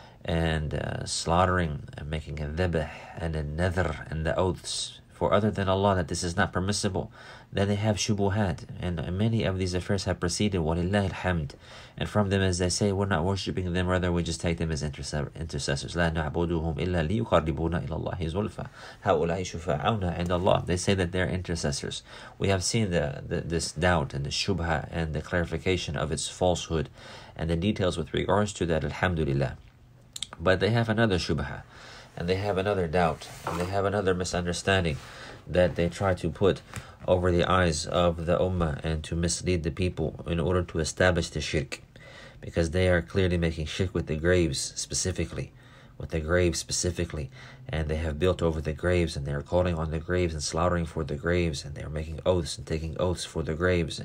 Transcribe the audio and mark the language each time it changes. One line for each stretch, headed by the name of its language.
English: and slaughtering and making a dhabih and a nadhr and the oaths for other than Allah, that this is not permissible, then they have shubuhat, and many of these affairs have proceeded, walillah alhamd, and from them, as they say, we're not worshipping them, rather we just take them as intercessors.
Arabic: لا نعبدهم إلا ليقربونا إلى الله زلفا هؤلاء شفاعونا عند الله.
English: They say that they're intercessors. We have seen this doubt and the shubha and the clarification of its falsehood and the details with regards to that, alhamdulillah. But they have another shubha, and they have another doubt, and they have another misunderstanding that they try to put over the eyes of the ummah and to mislead the people in order to establish the shirk, because they are clearly making shirk with the graves specifically, with the graves specifically, and they have built over the graves, and they are calling on the graves and slaughtering for the graves, and they are making oaths and taking oaths for the graves.